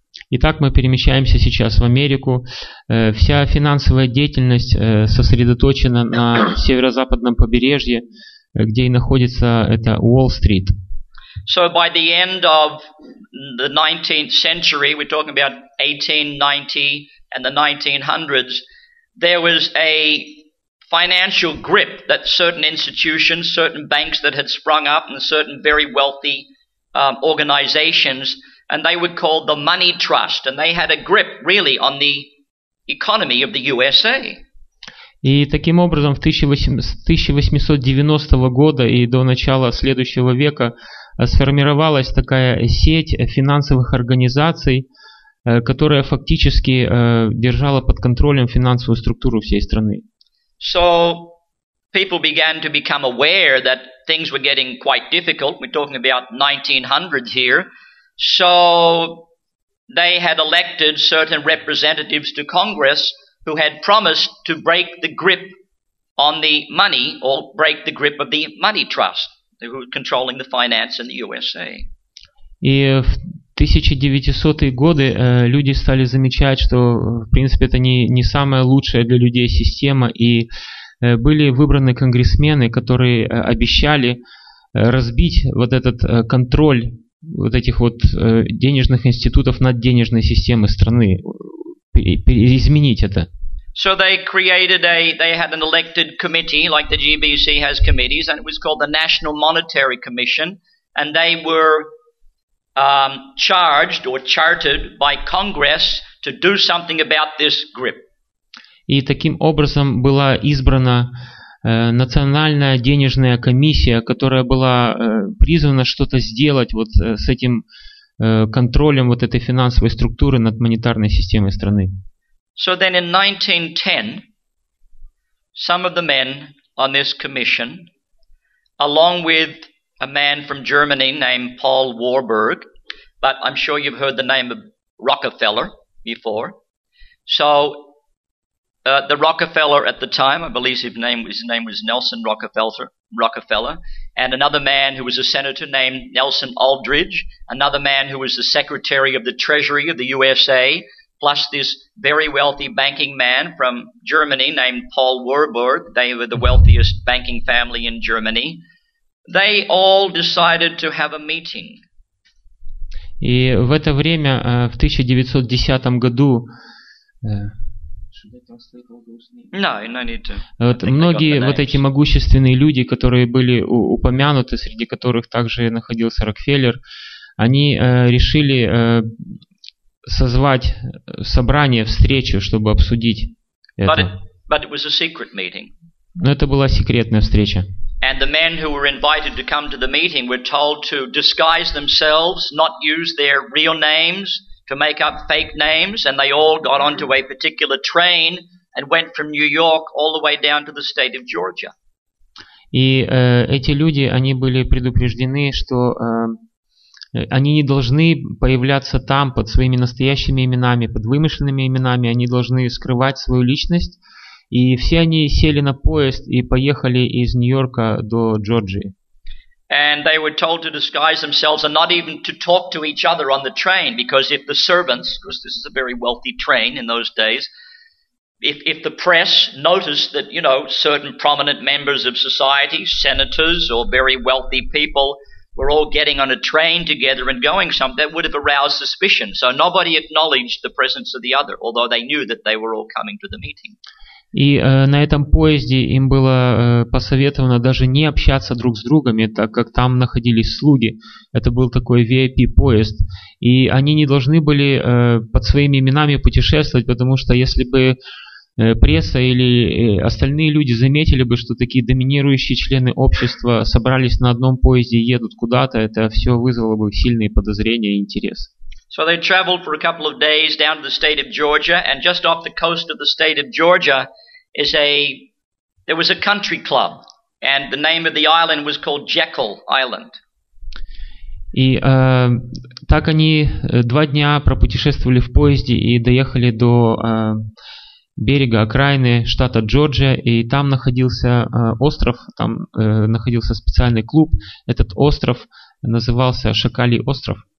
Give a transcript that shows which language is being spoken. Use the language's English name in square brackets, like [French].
[Russian] Итак, мы перемещаемся сейчас в Америку. Вся финансовая деятельность сосредоточена на северо-западном побережье, где и находится это Уолл-стрит. [English] So by the end of the 19th century, we're talking about 1890 and the 1900s, there was a financial grip that certain institutions, certain banks that had sprung up and certain very wealthy organizations, and they were called the Money Trust, and they had a grip really on the economy of the USA. [Russian] И таким образом, с 1890 года и до начала следующего века сформировалась такая сеть финансовых организаций, которая фактически держала под контролем финансовую структуру всей страны. [English] So people began to become aware that things were getting quite difficult. We're talking about 1900 here. So they had elected certain representatives to Congress who had promised to break the grip on the money or break the grip of the money trust. Who were controlling the finance in the USA. [Russian] И в 1900-е годы люди стали замечать, что, в принципе, это не самая лучшая для людей система, и были выбраны конгрессмены, которые обещали разбить вот этот контроль вот этих вот денежных институтов над денежной системой страны, изменить это. [English] So they created they had an elected committee, like the GBC has committees, and it was called the National Monetary Commission, and they were charged or chartered by Congress to do something about this grip. [Russian] И таким образом была избрана национальная денежная комиссия, которая была призвана что-то сделать вот с этим контролем вот этой финансовой структуры над монетарной системой страны. [English] So then in 1910, some of the men on this commission, along with a man from Germany named Paul Warburg, but I'm sure you've heard the name of Rockefeller before. So the Rockefeller at the time, I believe his name was Nelson Rockefeller, and another man who was a senator named Nelson Aldrich, another man who was the Secretary of the Treasury of the USA, plus this very wealthy banking man from Germany named Paul Warburg, they were the wealthiest banking family in Germany, they all decided to have a meeting. [Russian] И в это время, в 1910 году, многие вот эти могущественные люди, которые были упомянуты, среди которых также находился Рокфеллер, они решили созвать собрание, встречу, чтобы обсудить это. [English] But it was a secret meeting. [Russian] Но это была секретная встреча. [English] And the men who were invited to come to the meeting were told to disguise themselves, not use their real names, to make up fake names, and they all got onto a particular train and went from New York all the way down to the state of Georgia. [Russian] И эти люди, они были предупреждены, что они не должны появляться там под своими настоящими именами, под вымышленными именами, они должны скрывать свою личность. И все они сели на поезд и поехали из Нью-Йорка до Джорджии. [English] And they were told to disguise themselves and not even to talk to each other on the train, because if the servants, because this is a very wealthy train in those days, if the press noticed that, you know, certain prominent members of society, senators or very wealthy people, were all getting on a train together and going somewhere, that would have aroused suspicion. So nobody acknowledged the presence of the other, although they knew that they were all coming to the meeting. [Russian] И на этом поезде им было посоветовано даже не общаться друг с другами, так как там находились слуги. Это был такой VIP-поезд. И они не должны были под своими именами путешествовать, потому что если бы пресса или остальные люди заметили бы, что такие доминирующие члены общества собрались на одном поезде и едут куда-то, это все вызвало бы сильные подозрения и интерес. [English] So they traveled for a couple of days down to the state of Georgia, and just off the coast of the state of Georgia there was a country club, and the name of the island was called Jekyll Island. [Russian] И так они два дня пропутешествовали в поезде и доехали до берега окраины штата Джорджия, и там находился остров, там находился специальный клуб. Этот остров назывался Шакалий остров.